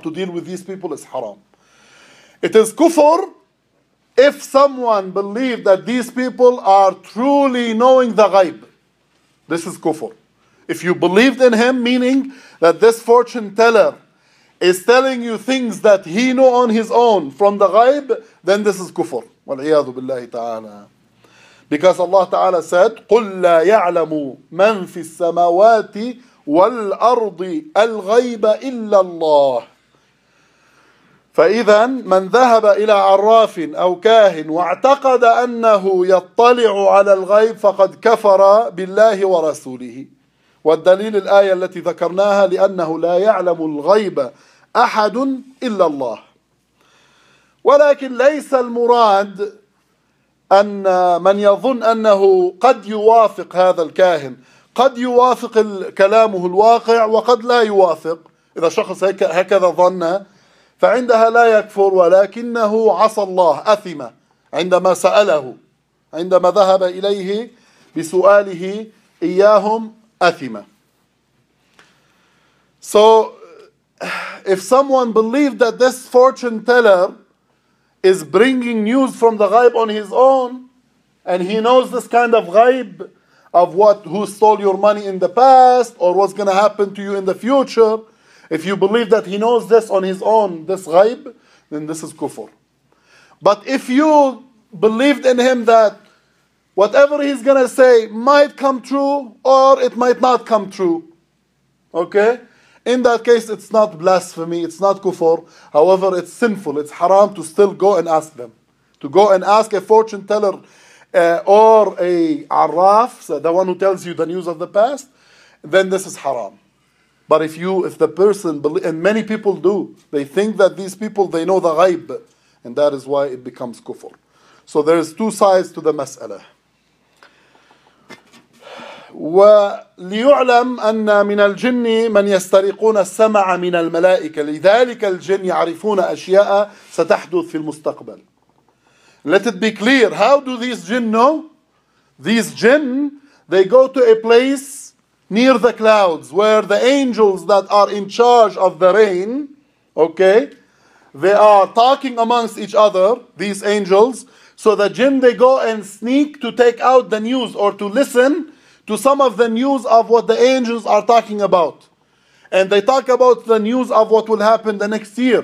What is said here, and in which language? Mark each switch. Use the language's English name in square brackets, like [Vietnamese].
[English] To deal with these people is haram. It is kufr if someone believes that these people are truly knowing the ghaib. This is kufr. If you believed in him, meaning that this fortune teller is telling you things that he knew on his own from the ghaib, then this is kufr. [Arabic] وَالْعِيَاذُ بِاللَّهِ تَعَالَى. [English] Because Allah Ta'ala said, [Arabic] قُلْ لَا يَعْلَمُ مَنْ فِي السَّمَوَاتِ وَالْأَرْضِ الْغَيْبَ إِلَّا اللَّهِ. فَإِذًا مَنْ ذَهَبَ إِلَى عَرَّافٍ أَوْ كَاهٍ وَاعْتَقَدَ أَنَّهُ يَطَّلِعُ عَلَى الْغَيْبِ فَقَدْ كَفَرَ بِاللَّهِ وَرَسُولِهِ. والدليل الآية التي ذكرناها لأنه لا يعلم الغيب أحد إلا الله. ولكن ليس المراد أن من يظن أنه قد يوافق هذا الكاهن قد يوافق كلامه الواقع وقد لا يوافق. إذا شخص هكذا ظن فعندها لا يكفر، ولكنه عصى الله، أثم عندما سأله، عندما ذهب إليه بسؤاله إياهم أثمة. [English] So if someone believed that this fortune teller is bringing news from the ghaib on his own, and he knows this kind of ghaib of who stole your money in the past or what's going to happen to you in the future, if you believe that he knows this on his own, this ghaib, then this is kufr. But if you believed in him that Whatever he's going to say might come true or it might not come true. Okay? In that case, it's not blasphemy, it's not kufr. However, it's sinful, it's haram to still go and ask them. To go and ask a fortune teller or a arraf, so the one who tells you the news of the past, then this is haram. But if the person, and many people do, they think that these people, they know the ghaib. And that is why it becomes kufr. So there is two sides to the mas'ala. [Arabic] وليعلم أن من الجن من يسترقون السمع من الملائكة لذلك الجن يعرفون أشياء ستحدث في المستقبل. [English] Let it be clear. How do these jinn know? These jinn, they go to a place near the clouds where the angels that are in charge of the rain, okay, they are talking amongst each other, these angels. So the jinn, they go and sneak to take out the news or to listen to some of the news of what the angels are talking about. And they talk about the news of what will happen the next year.